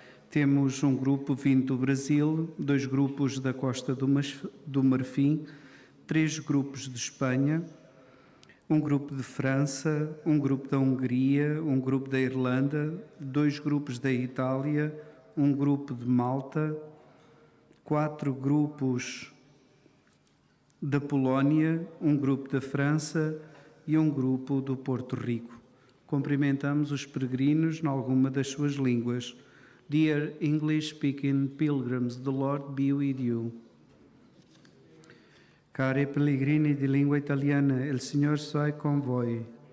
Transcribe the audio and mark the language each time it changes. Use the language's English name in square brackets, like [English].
[Portuguese] Temos um grupo vindo do Brasil, dois grupos da Costa do Marfim, três grupos de Espanha, um grupo de França, um grupo da Hungria, um grupo da Irlanda, dois grupos da Itália, um grupo de Malta, quatro grupos da Polónia, um grupo da França e um grupo do Porto Rico. Cumprimentamos os peregrinos em alguma das suas línguas. [English] Dear English-speaking pilgrims, the Lord be with you. [Italian] Cari pellegrini di lingua italiana, il Signore sia con voi.